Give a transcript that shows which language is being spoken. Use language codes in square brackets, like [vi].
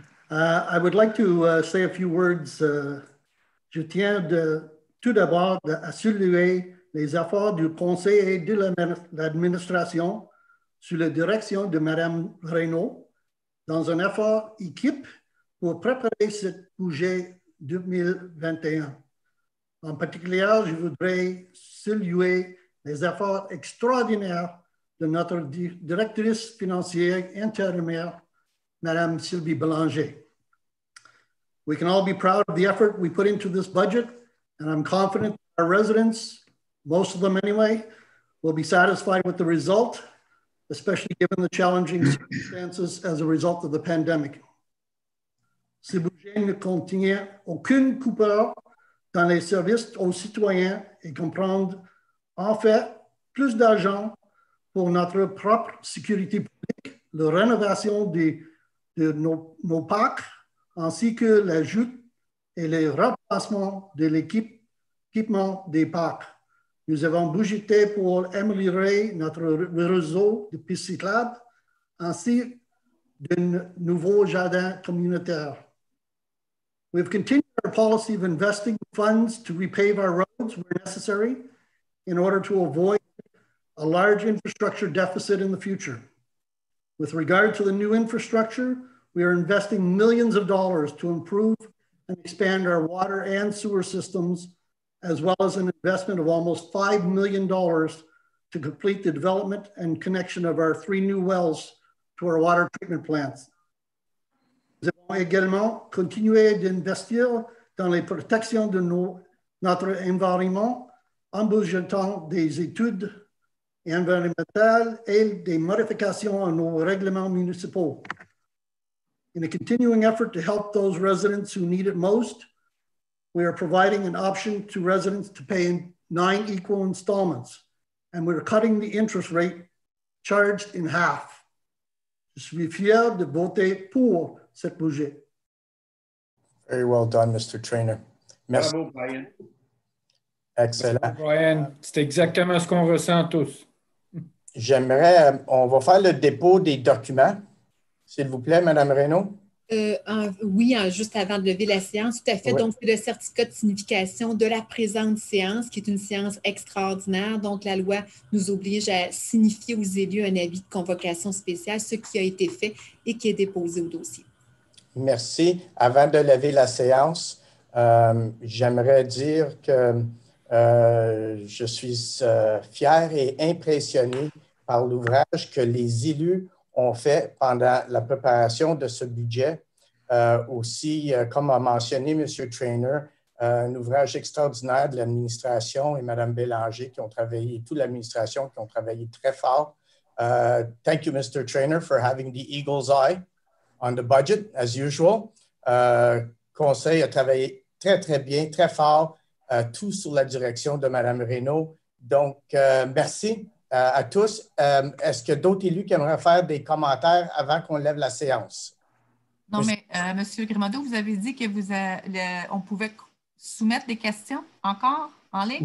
[en] I would like to say a few words. [fr] Je tiens tout d'abord à saluer les efforts du conseil et de l'administration sous la direction de Mme Reynaud dans un effort équipe pour préparer ce budget 2021. En particulier, je voudrais saluer les efforts extraordinaires de notre directrice financière intérimaire, Madame Sylvie Bélanger. [en] We can all be proud of the effort we put into this budget, and I'm confident our residents, most of them anyway, will be satisfied with the result, especially given the challenging circumstances as a result of the pandemic. [fr] Ce budget ne contient aucune coupure dans les services aux citoyens et comprendre en fait plus d'argent pour notre propre sécurité publique, la rénovation de nos parcs, ainsi que l'ajout et le remplacement de l'équipement des parcs. Nous avons budgété pour améliorer notre réseau de pistes cyclables ainsi d'un nouveau jardin communautaire. [en] We've continued our policy of investing funds to repave our roads where necessary in order to avoid a large infrastructure deficit in the future. With regard to the new infrastructure, we are investing millions of dollars to improve and expand our water and sewer systems, as well as an investment of almost $5 million to complete the development and connection of our three new wells to our water treatment plants. [fr] Nous avons également continué d'investir dans la protection de notre environnement en budgétant des études environnementales et des modifications à nos règlements municipaux. [en] In a continuing effort to help those residents who need it most, we are providing an option to residents to pay in 9 equal installments, and we're cutting the interest rate charged in half. [fr] Je suis fier de voter pour cette budget. [en] Very well done, Mr. Trainer. [fr] Merci. Bravo, Brian. [en] Excellent. [fr] Merci, Brian, c'est exactement ce qu'on ressent tous. J'aimerais, on va faire le dépôt des documents, s'il vous plaît, Mme Reynaud. Juste avant de lever la séance, tout à fait. Oui. Donc, c'est le certificat de signification de la présente séance, qui est une séance extraordinaire. Donc, la loi nous oblige à signifier aux élus un avis de convocation spéciale, ce qui a été fait et qui est déposé au dossier. Merci. Avant de lever la séance, j'aimerais dire que je suis fier et impressionné par l'ouvrage que les élus ont fait pendant la préparation de ce budget. Comme a mentionné M. Trainer, un ouvrage extraordinaire de l'administration et Mme Bélanger qui ont travaillé, toute l'administration qui ont travaillé très fort. [en] Thank you, Mr. Trainer, for having the eagle's eye on the budget, as usual. [fr] Conseil a travaillé très, très bien, très fort, tout sous la direction de Mme Reynaud. Donc, merci à tous. Est-ce que d'autres élus aimeraient faire des commentaires avant qu'on lève la séance? Non, Monsieur Grimaudot, vous avez dit qu'on pouvait soumettre des questions encore en ligne?